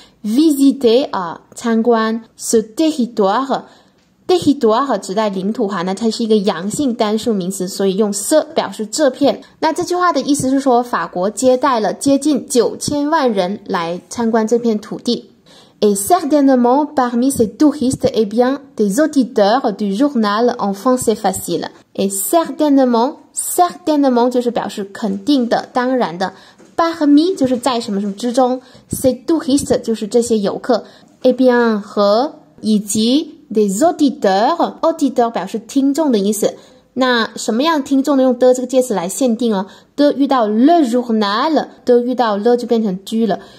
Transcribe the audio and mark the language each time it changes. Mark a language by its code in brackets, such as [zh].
[zh] visiter 啊，参观 [fr] ce territoire [zh] Territoire 指代领土哈，那它是一个阳性单数名词，所以用 ce 表示这片。那这句话的意思是说，法国接待了接近9000万人来参观这片土地。 [fr] Et certainement parmi ces touristes, eh bien, des auditeurs du journal en français facile. Et certainement [zh] 就是表示肯定的、当然的。 Parmi 就是在什么什么之中 ， [fr] ces touristes [zh] 就是这些游客 ， [fr] eh bien [zh] 和以及。 [fr] Des auditeurs [zh] 表示听众的意思那什么样听众呢用的这个介词来限定哦的遇到 [fr] le journal [zh] 的遇到 le 就变成 du 了